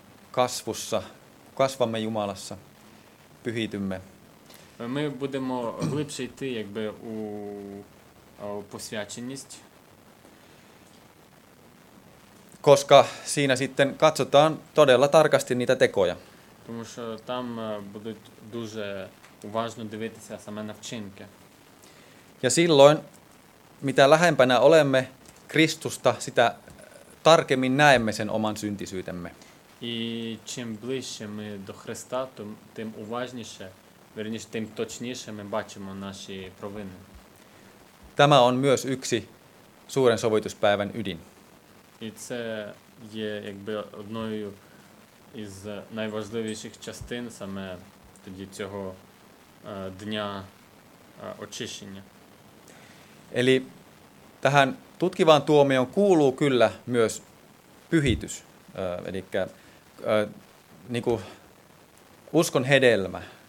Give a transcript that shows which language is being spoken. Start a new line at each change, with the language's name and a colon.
Finnish: kasvussa, kasvamme Jumalassa, pyhitymme.
Ukrainian: Ми будемо глибше йти, якби у посвяченість.
Finnish: Koska siinä sitten katsotaan todella tarkasti niitä tekoja.
Ukrainian: Тому що там будуть дуже уважно дивитися саме на вчинки.
Finnish: Ja silloin, mitä lähempänä olemme Kristusta, sitä tarkemmin näemme sen oman syntisyytemme.
Ukrainian: І чим ближче ми до Христа, тим уважніше, верніше, тим точніше ми бачимо наші провини.
Finnish: Tämä on myös yksi suuren sovituspäivän ydin.
Ukrainian: І це є якби одною із найважливіших частин саме тоді цього дня очищення.
Finnish: Eli tähän tutkivaan tuomioon kuuluu kyllä myös pyhitys, eli niin kuin uskon hedelmä.